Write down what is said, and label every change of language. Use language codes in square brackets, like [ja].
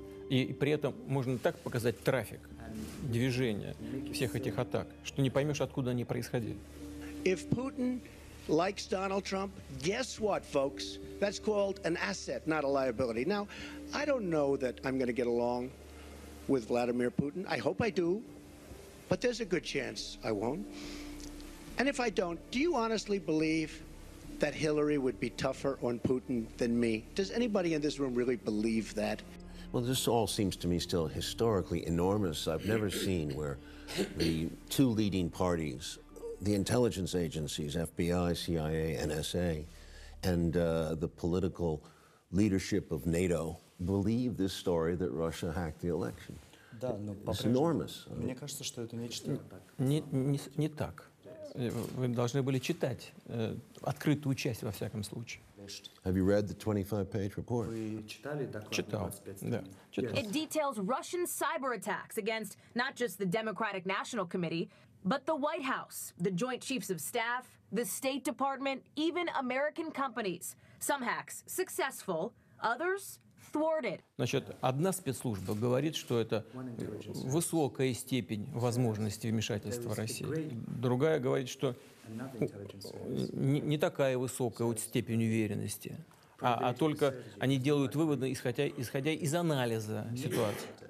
[ru] И при этом можно так показать трафик, движение всех этих атак, что не поймешь, откуда они происходили. [en] If Putin likes Donald Trump, guess what, folks? That's called an asset, not a liability. Now, I don't know that I'm going to get along with Vladimir Putin. I hope I do, but there's a good chance I won't. And if I don't, do you honestly believe that Hillary would be tougher on Putin than me? Does anybody in this room really believe that? Well, this all seems to me still historically enormous. I've never seen where the two leading parties, the intelligence agencies, FBI, CIA, NSA, and the political leadership of NATO believe this story that Russia hacked the election. [ru] Да, но [en] it's enormous. [ru] Мне кажется, что это нечто. Не так. Вы должны были читать открытую часть, во всяком случае. [en] Have you read the 25-page report? [ru] Читал. Да. [en] It details Russian cyber attacks against not just the Democratic National Committee, but the White House, the Joint Chiefs of Staff, the State Department, even American companies. Some hacks successful, others thwarted. [ru] Значит, одна спецслужба говорит, что это высокая степень возможности вмешательства России. Другая говорит, что не такая высокая вот степень уверенности, а только они делают выводы, исходя из анализа ситуации.